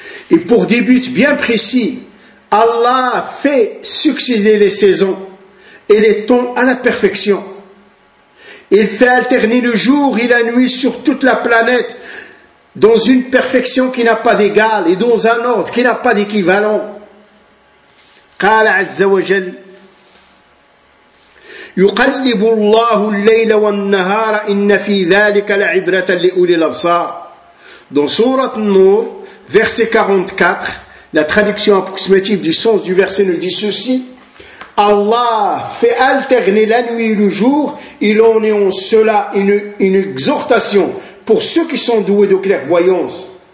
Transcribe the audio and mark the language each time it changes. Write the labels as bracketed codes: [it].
[fr] Et pour des buts bien précis, Allah fait succéder les saisons et les temps à la perfection. Il fait alterner le jour et la nuit sur toute la planète dans une perfection qui n'a pas d'égal et dans un ordre qui n'a pas d'équivalent. [ar] قال عز وجل يقلب الله الليل والنهار إن في ذلك لعبرة لأولي الأبصار. [fr] Dans Sourate An-Nur, verset 44, la traduction approximative du sens du verset nous dit ceci: Allah fait alterner la nuit et le jour, il en est en cela une exhortation pour ceux qui sont doués de clairvoyance.